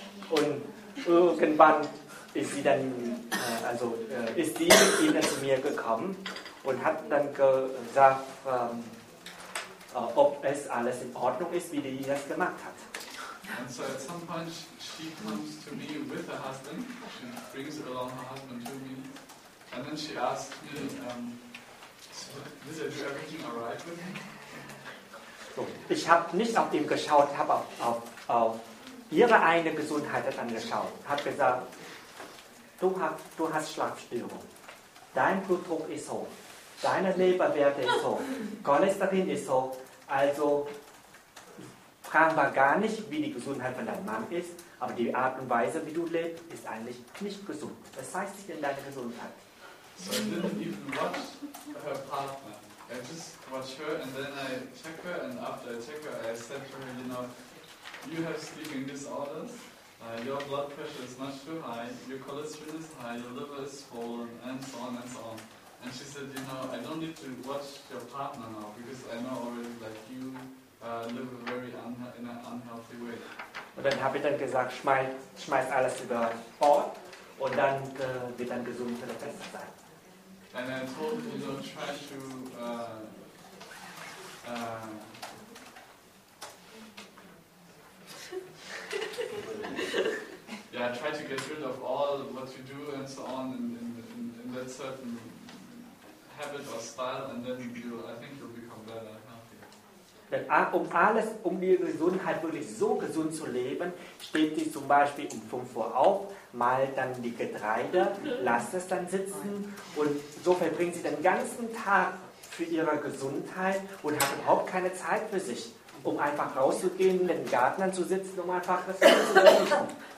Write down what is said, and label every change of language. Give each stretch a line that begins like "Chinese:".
German: Und irgendwann ist sie dann, also ist sie mit ihm zu mir gekommen und hat dann gesagt, ob es alles in Ordnung ist, wie die das gemacht hat.
English: And so at some point she comes to me with her husband. She brings along her husband to me. And then she asked me, is everything alright with him?
German: So, ich habe nicht auf ihn geschaut, habe auf ihre eigene Gesundheit dann geschaut. Hat gesagt, du hast Schlafstörung. Dein Blutdruck ist hoch. Deine Leberwerte ist hoch. Cholesterin ist hoch. Also fragen wir gar nicht, wie die Gesundheit von deinem Mann ist, aber die Art und Weise, wie du lebst, ist eigentlich nicht gesund. Das zeigt sich in deiner Gesundheit.
English: So I didn't even watch her partner. I just watch her and then I check her and after I check her, I said to her, you know, you have sleeping disorders, your blood pressure is much too high, your cholesterol is high, your liver is swollen, and so on and so on. And she said, you know, I don't need to watch your partner now because I know already that you live in an unhealthy way.
German: Und dann habe ich dann gesagt, schmeiß alles über Bord und dann wird dein Gesundheit wieder besser sein.
English: And I told her, you know, try to try to get rid of all what you do and so on in that certain habit or style, and then I think you'll become better, healthy.
German: Denn um alles, um die Gesundheit wirklich so gesund zu leben, steht sie zum Beispiel um 5 Uhr auf, malt dann die Getreide, lasst es dann sitzen und so verbringt sie den ganzen Tag für ihre Gesundheit und hat überhaupt keine Zeit für sich, um einfach rauszugehen, in den Gärtnern zu sitzen, um einfach das zu machen.